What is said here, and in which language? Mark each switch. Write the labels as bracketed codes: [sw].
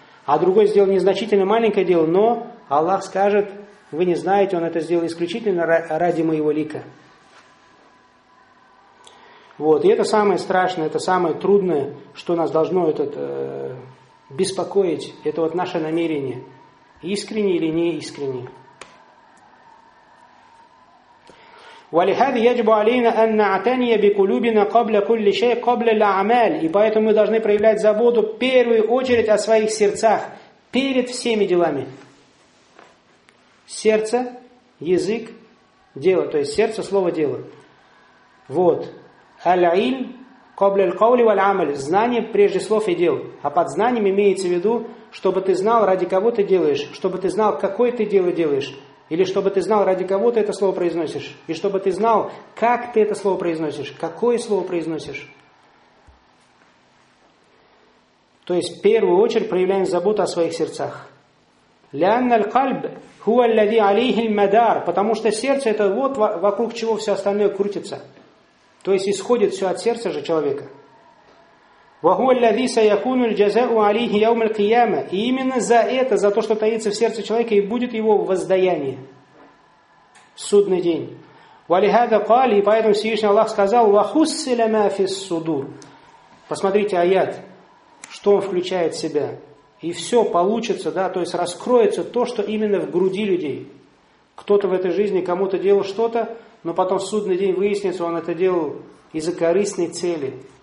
[ru] А другой сделал незначительно маленькое дело, но Аллах скажет, вы не знаете, он это сделал исключительно ради моего лика. Вот. И это самое страшное, это самое трудное, что нас должно беспокоить, это вот наше намерение, искренне или неискренне. [ar] ولهذا يجب علينا أن نعتني بقلوبنا قبل كل شيء قبل الأعمال. [ru] И поэтому мы должны проявлять заботу в первую очередь о своих сердцах перед всеми делами. Сердце, язык, дело, то есть сердце, слово, дело. Вот. [ar] العلم قبل القول والعمل. [ru] Знание прежде слов и дел. А под знанием имеется в виду, чтобы ты знал, ради кого ты делаешь, чтобы ты знал, какое ты дело делаешь. Или чтобы ты знал, ради кого ты это слово произносишь. И чтобы ты знал, как ты это слово произносишь. Какое слово произносишь. То есть, в первую очередь, проявляем заботу о своих сердцах. [ar] لأن القلب هو الذي عليه المدار. [ru] Потому что сердце – это вот вокруг чего все остальное крутится. То есть, исходит все от сердца же человека. [ar] وهو الذي سيكون الجزاء عليه يوم القيامة. [ru] И именно за это, за то, что таится в сердце человека, и будет его воздаяние в судный день. [ar] ولهذا قال, [ru] и поэтому Всевышний Аллах сказал, [ar] وَحُسِّلَ مَا فِي الصُّدُورِ. [ru] Посмотрите аят, что он включает в себя. И все получится, да, то есть раскроется то, что именно в груди людей. Кто-то в этой жизни кому-то делал что-то, но потом в судный день выяснится, он это делал из-за корыстной цели.